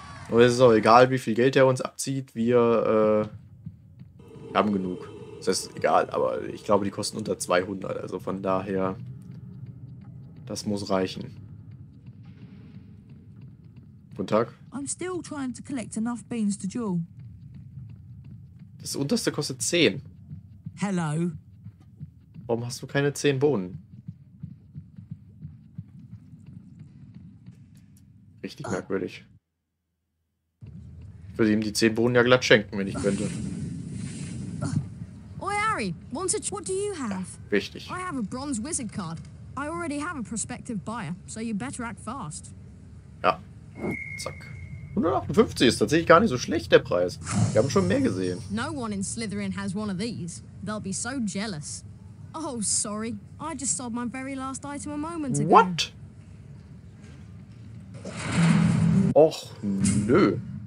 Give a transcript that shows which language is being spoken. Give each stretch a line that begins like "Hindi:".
German: Und es ist auch egal, wie viel Geld er uns abzieht, wir haben genug. Das heißt, egal, aber ich glaube, die kosten unter 200, also von daher, das muss reichen. Guten Tag.
English: I'm still trying to collect enough beans to duel.
German: Das unterste kostet 10.
English: Hello.
German: Warum hast du keine 10 Bohnen? Richtig merkwürdig. Ich würde ihm die 10 Bohnen ja glatt schenken, wenn ich könnte.
English: Oi Harry, what do you have?
German: Ja, wichtig.
English: I have a bronze wizard card. I already have a prospective buyer, so you better act fast.
German: Ja. Zack. 158 ist tatsächlich gar nicht so schlecht der Preis. Wir haben schon mehr gesehen.
English: No one in Slytherin has one of these. They'll be so jealous. Oh, sorry. I just sold my very last item a moment ago. What?
German: Och, nö.